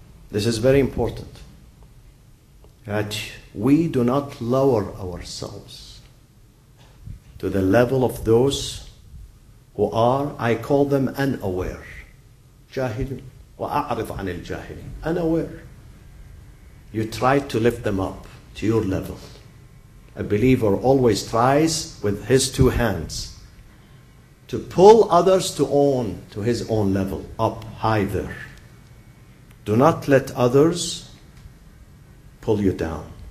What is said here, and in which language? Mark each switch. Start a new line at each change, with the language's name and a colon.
English: This is very important. That we do not lower ourselves to the level of those who are, I call them unaware.
Arabic: جاهلين وأعرف عن الجاهلين.
English: Unaware. You try to lift them up to your level. A believer always tries with his two hands to pull others to his own level, up high there. Do not let others pull you down.